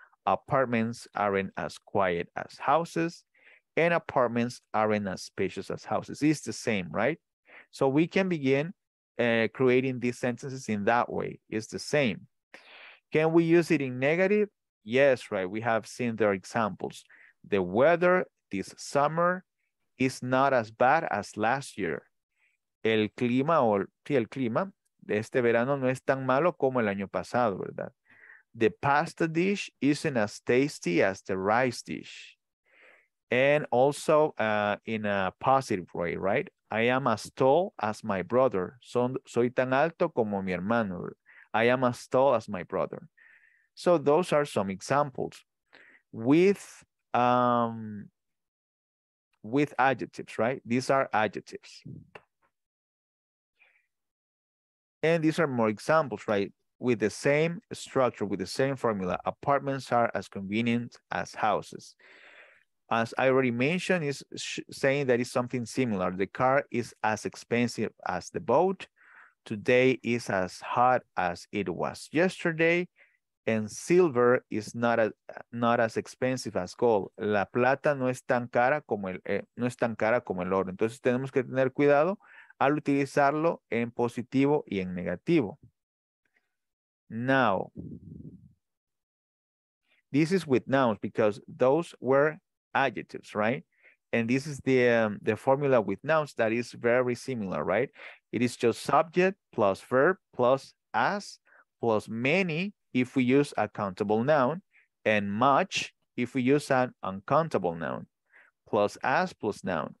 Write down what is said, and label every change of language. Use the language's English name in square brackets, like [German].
[English] Apartments aren't as quiet as houses. And apartments aren't as spacious as houses. It's the same, right? So we can begin creating these sentences in that way. It's the same. Can we use it in negative? Yes, right. We have seen their examples. The weather this summer is not as bad as last year. [Spanish] El clima, el clima de este verano no es tan malo como el año pasado, ¿verdad? [English] The pasta dish isn't as tasty as the rice dish. And also in a positive way, right? I am as tall as my brother. [Spanish] Soy tan alto como mi hermano. [English] I am as tall as my brother. So those are some examples with adjectives, right? These are adjectives. And these are more examples, right? With the same structure, with the same formula, apartments are as convenient as houses. As I already mentioned, it's saying that it's something similar. The car is as expensive as the boat. Today is as hot as it was yesterday. And silver is not as expensive as gold. [Spanish] La plata no es tan cara como no es tan cara como el oro. Entonces tenemos que tener cuidado al utilizarlo en positivo y en negativo. [English] Now, this is with nouns because those were adjectives, right? And this is the formula with nouns that is very similar, right? It is just subject plus verb plus as plus many if we use a countable noun and much if we use an uncountable noun plus as plus noun.